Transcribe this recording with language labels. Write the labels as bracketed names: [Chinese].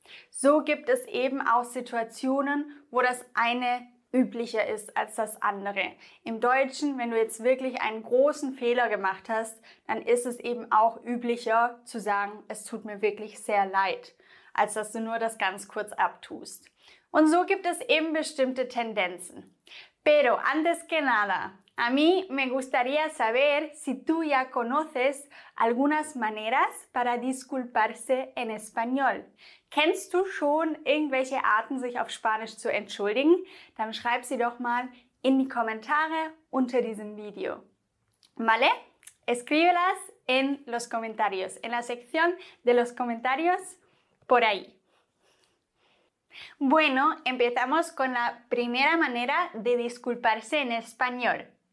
[German] So gibt es eben auch Situationen, wo das eine üblicher ist als das andere. Im Deutschen, wenn du jetzt wirklich einen großen Fehler gemacht hast, dann ist es eben auch üblicher zu sagen, es tut mir wirklich sehr leid, als dass du nur das ganz kurz abtust. Und so gibt es eben bestimmte Tendenzen. [Spanish] Pero antes que nada, a mí me gustaría saber si tú ya conoces algunas maneras para disculparse en español. [German] Kennst du schon irgendwelche Arten, sich auf Spanisch zu entschuldigen? Dann schreib sie doch mal in die Kommentare unter diesem Video. [Spanish] ¿Vale? Escríbelas en los comentarios, en la sección de los comentarios, por ahí. Bueno, empezamos con la primera manera de disculparse en español.